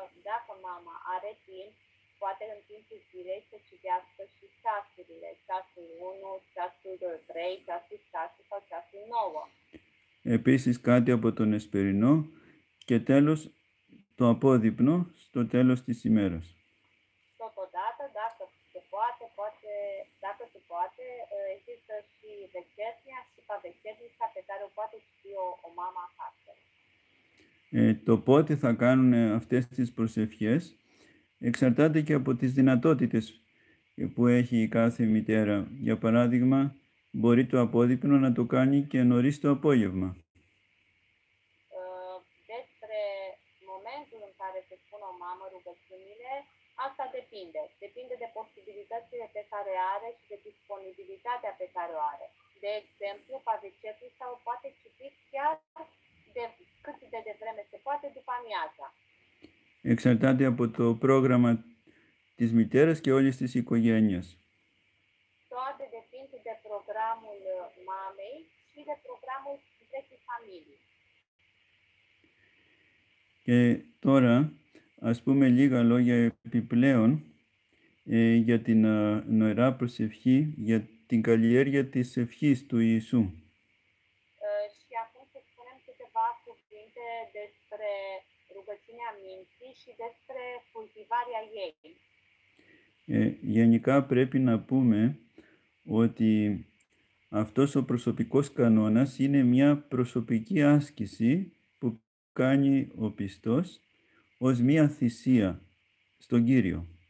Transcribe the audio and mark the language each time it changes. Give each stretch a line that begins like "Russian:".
Romanian: Dacă mama are timp, poate în timp de zile să citească și ceasurile, ceasul 1, ceasul 3, ceasul 6 sau ceasul 9.
Greek: Επίσης, κάτι από τον εσπερινό και τέλος το απόδειπνο στο τέλος της ημέρας.
Romanian: Totodată, dacă se poate, există și vecernia și pavecernica pe care o poate citi o mama acasă.
Greek: Το πότε θα κάνουν αυτές τις προσευχές εξαρτάται και από τις δυνατότητες που έχει η κάθε μητέρα. Για παράδειγμα, μπορεί το απόδειπνο να το κάνει και νωρίς το απόγευμα.
Romanian: Despre momentul în care se spun o mamă rugăciunile, asta depinde. Depinde de posibilitățile pe care are și de disponibilitatea pe care o are. De exemplu, pavecernica o poate citi chiar de cât de devreme se poate, după amiaza.
Greek: Εξαρτάται από το πρόγραμμα της μητέρας και όλης της οικογένειας.
Romanian: Τότε depinde de programul mamei și de programul întregii familii.
Greek: Και τώρα, ας πούμε λίγα λόγια επιπλέον για την νοερά προσευχή, για την καλλιέργεια της ευχής του Ιησού.
Romanian: Și acum să spunem câteva cuvinte despre rugăciunea minții și despre cultivarea ei.
Greek: Γενικά πρέπει να πούμε ότι αυτός ο προσωπικός κανόνας είναι μια προσωπική άσκηση που κάνει ο πιστός ως μια θυσία στον Κύριο.